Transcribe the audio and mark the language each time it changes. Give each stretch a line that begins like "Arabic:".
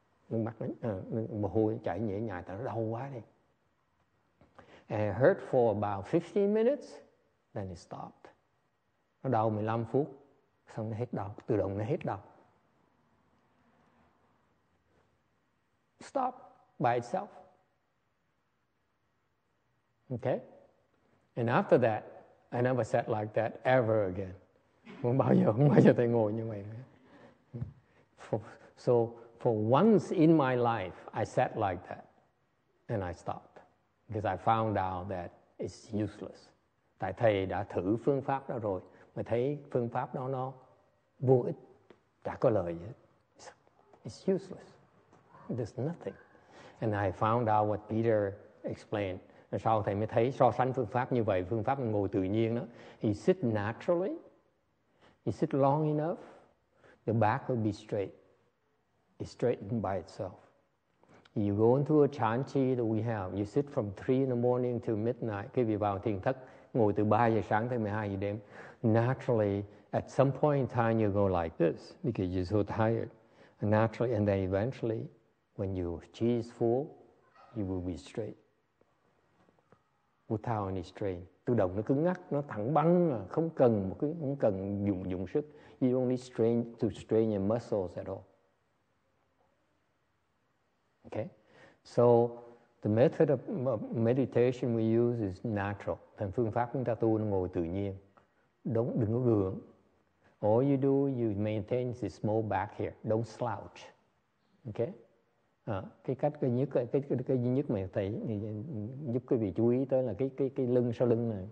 Vietnamese: Nước mắt mồ hôi chảy nhễ nhại tại nó đau quá đi.
English: And it hurt for about 15 minutes, then it stopped.
Vietnamese: Nó đau 15 phút, xong nó hết đau, tự động nó hết đau.
English: Stop by itself. Okay? And after that, I never sat like that ever again.
Vietnamese: Không bao giờ, không bao giờ tôi ngồi như vậy.
English: So for once in my life, I sat like that and I stopped because I found out that it's useless.
Vietnamese: Tại thầy đã thử phương pháp đó rồi, mà thấy phương pháp đó nó vô ích, chả có lợi gì.
English: It's useless. There's nothing. And I found out what Peter explained.
Vietnamese: Sau thầy mới thấy so sánh phương pháp như vậy, phương pháp ngồi tự nhiên đó.
English: He sit naturally. He sit long enough. The back will be straight. It's straightened by itself. You go into a chan chi that we have. You sit from 3 in the morning till midnight.
Vietnamese: Khi vị vào thiền thất, ngồi từ 3 giờ sáng tới 12 giờ đêm.
English: Naturally, at some point in time, you go like this because you're so tired. Naturally, and then eventually, when your chi is full, you will be straight. Without any strain.
Vietnamese: Tự động nó cứ ngắt, nó thẳng băng, không cần một cái, không cần dùng sức.
English: You don't need strain to strain your muscles at all. Okay, so the method of meditation we use is natural.
Vietnamese: Thành phương pháp chúng ta tu nó ngồi tự nhiên. Đừng có gượng.
English: All you do, you maintain the small back here. Don't slouch. Okay.
Vietnamese: Cái duy nhất mà thầy giúp quý vị chú ý tới là cái lưng sau lưng này.